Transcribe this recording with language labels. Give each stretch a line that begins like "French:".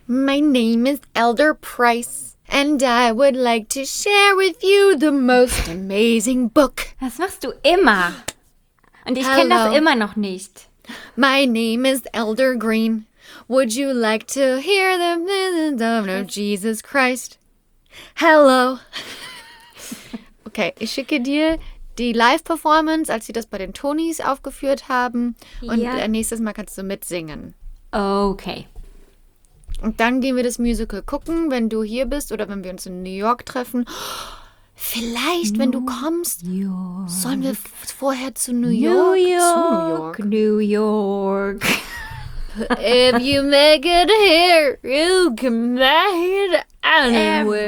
English: My name is Elder Price, and I would like to share with you the most amazing book.
German: Das machst du immer. Und ich kenne das immer noch nicht.
English: My name is Elder Green. Would you like to hear the wisdom of Jesus Christ? Hello.
German: Okay, ich schicke dir die Live-Performance, als sie das bei den Tonys aufgeführt haben. Und ja. Nächstes Mal kannst du mitsingen. Okay. Und dann gehen wir das Musical gucken, wenn du hier bist oder wenn wir uns in New York treffen. Vielleicht, wenn du kommst, sollen wir vorher zu New York? New York, zu New York.
English: If you make it here, you can make it anywhere.